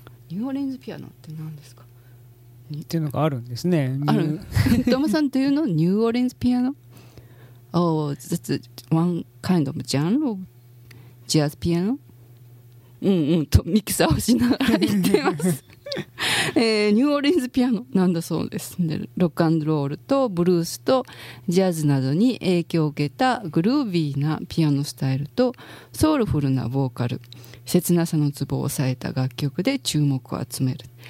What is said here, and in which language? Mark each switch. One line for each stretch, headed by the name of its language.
Japanese: ニューオリンズピアノって何ですかっていうのがあるんですね。あるトムさんというのニューオリンズピアノ。
English: Oh, that's one kind of genre of jazz piano。
Japanese: うんうんとミキサーをしながら言ってます、ニューオリンズピアノなんだそうです。でロックアンドロールとブルースとジャズなどに影響を受けたグルービーなピアノスタイルとソウルフルなボーカル、切なさのツボを抑えた楽曲で注目を集める。